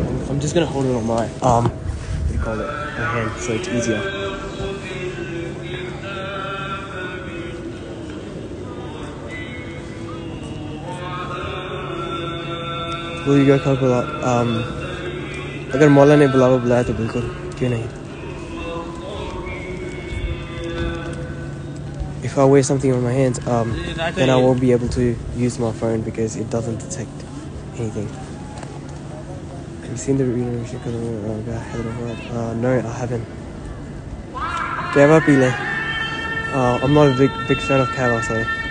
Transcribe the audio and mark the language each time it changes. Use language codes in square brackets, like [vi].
[en] I'm just gonna hold it on my arm. What do you call it? My hand, so it's easier. Will you go cover that? [ur] اگر مولا نے بلایا بلایا تو بالکل کیوں نہیں؟ [en] If I wear something on my hands, then I won't be able to use my phone because it doesn't detect anything. Have you seen the reunion of no, I haven't. I'm not a big fan of Kava, so.